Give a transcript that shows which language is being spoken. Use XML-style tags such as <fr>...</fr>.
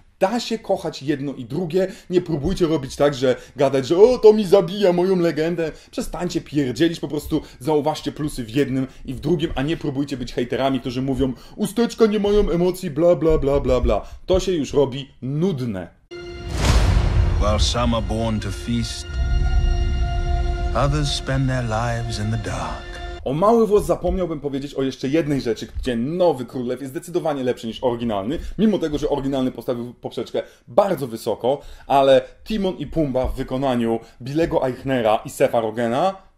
<pl>Da się kochać jedno i drugie. Nie próbujcie robić tak, że gadać, że o, to mi zabija moją legendę. Przestańcie pierdzielić, po prostu zauważcie plusy w jednym i w drugim, a nie próbujcie być hejterami, którzy mówią, usteczka nie mają emocji, bla, bla, bla, bla, bla. To się już robi nudne.</pl> <en>While some are born to feast, others spend their lives in the dark.</en> <pl>O mały włos zapomniałbym powiedzieć o jeszcze jednej rzeczy, gdzie Nowy Królew jest zdecydowanie lepszy niż oryginalny, mimo tego, że oryginalny postawił poprzeczkę bardzo wysoko, ale Timon i Pumba w wykonaniu Billego Eichnera i Sepha Rogena</pl>